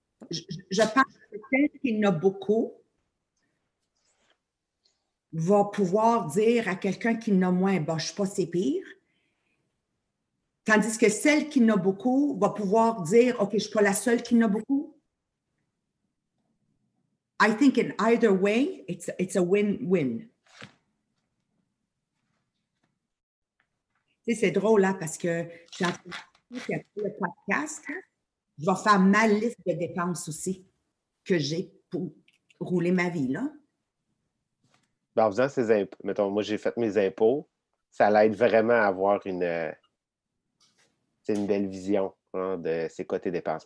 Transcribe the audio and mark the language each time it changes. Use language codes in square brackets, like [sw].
[fr] Je pense que peut-être qu'il y en a beaucoup. Va pouvoir dire à quelqu'un qui n'a moins, ben, je ne sais pas, c'est pire. Tandis que celle qui n'a beaucoup va pouvoir dire, OK, je ne suis pas la seule qui n'a beaucoup. [en] I think in either way, it's a win-win. [fr] Tu sais, c'est drôle, là, hein, parce que j'ai entendu qu'il y a le podcast, hein, je vais faire ma liste de dépenses aussi que j'ai pour rouler ma vie, là. Ben, en faisant ces impôts, mettons, moi, j'ai fait mes impôts, ça l'aide vraiment à avoir une belle vision, hein, de ses côtés dépenses.